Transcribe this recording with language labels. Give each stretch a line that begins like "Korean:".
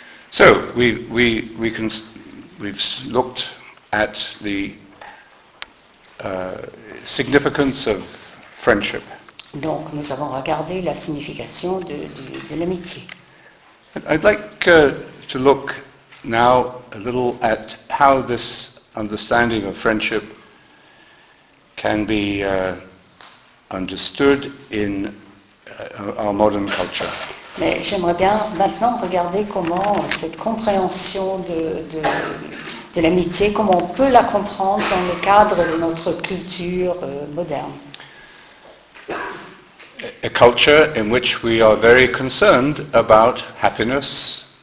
English: So we can we've looked at the significance of friendship.
French: Donc, nous avons regardé la signification de l'amitié.
English: I'd like to look now a little at how this understanding of friendship can be understood in our modern culture.
French: Mais j'aimerais bien maintenant regarder comment cette compréhension de l'amitié, comment on peut la comprendre dans le cadre de notre culture moderne.
English: A culture in which we are very concerned about happiness.